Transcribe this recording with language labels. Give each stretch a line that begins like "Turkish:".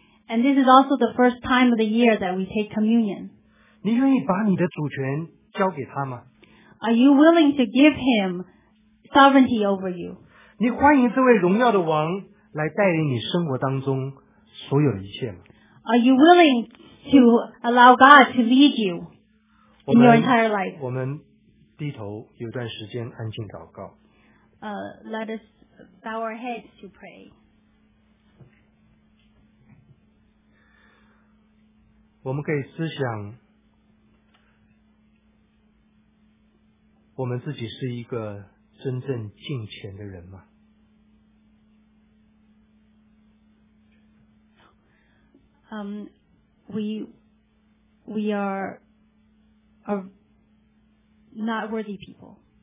English: and this is also the first time of the year that we take communion.
Chinese: 你愿意把你的主权交给他吗?
English: Are you willing to give him sovereignty over you?
Chinese: 你欢迎这位荣耀的王来带领你生活当中所有的一切吗?
English: Are you willing to allow God to lead you in your entire life?
Chinese: 我们低头有段时间安静祷告。
English: Let us bow our heads to pray.
Chinese: 我们可以思想我们自己是一个真正敬虔的人吗?
English: We are not worthy people.